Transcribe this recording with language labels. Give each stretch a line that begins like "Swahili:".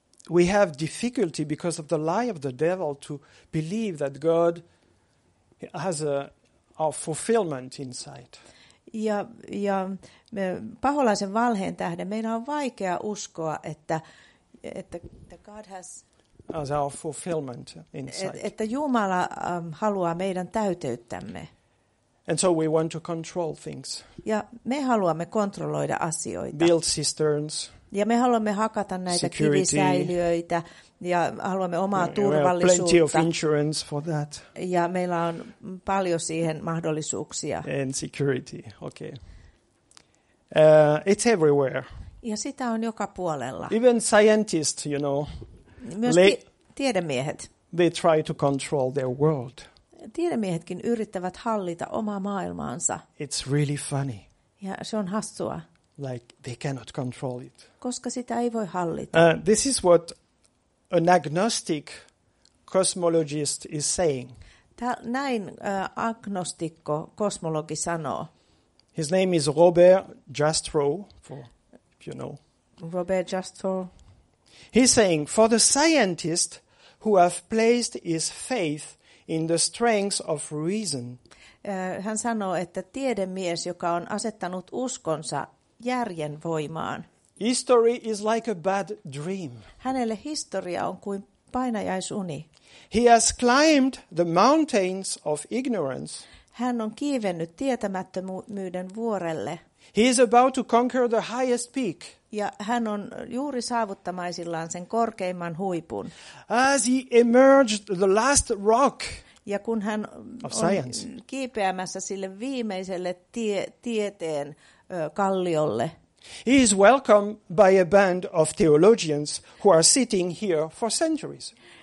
English: We have difficulty because of the lie of the devil to believe that God has a fulfillment in sight.
Finnish: Ja me paholaisen valheen tähden meidän on vaikea uskoa että
English: God has as our fulfillment in sight.
Finnish: Että Jumala haluaa meidän täyteyttämme.
English: And so we want to control things.
Finnish: Ja me haluamme kontrolloida asioita.
English: Build cisterns.
Finnish: Ja me haluamme hakata näitä kivisäiliöitä ja haluamme omaa turvallisuutta.
English: Plenty of insurance for that.
Finnish: Ja meillä on paljon siihen mahdollisuuksia.
English: And security. Okay. It's everywhere.
Finnish: Ja sitä on joka puolella.
English: Even scientists, you know.
Finnish: Tiedemiehet.
English: They try to control their world.
Finnish: Tiedemiehetkin yrittävät hallita omaa maailmaansa.
English: It's really funny.
Finnish: Ja se on hassua.
English: Like they cannot control it.
Finnish: Koska sitä ei voi hallita.
English: This is what an agnostic cosmologist is saying.
Finnish: Näin agnostikko kosmologi sanoo.
English: His name is Robert Jastrow, for if you know.
Finnish: Robert Jastrow.
English: He's saying, for the scientist who have placed his faith in the strength of reason.
Finnish: Hän sanoo, että tiedemies, joka on asettanut uskonsa järjen voimaan.
English: History is like a bad dream.
Finnish: Hänelle historia on kuin painajaisuni.
English: He has climbed the mountains of ignorance.
Finnish: Hän on kiivennyt tietämättömyyden vuorelle.
English: He is about to conquer the highest peak.
Finnish: Ja hän on juuri saavuttamaisillaan sen korkeimman huipun.
English: As he emerged the last rock.
Finnish: Ja kun hän on kiipeämässä sille viimeiselle tieteen kalliolle.
English: He is welcomed by a band of theologians who are sitting here for centuries.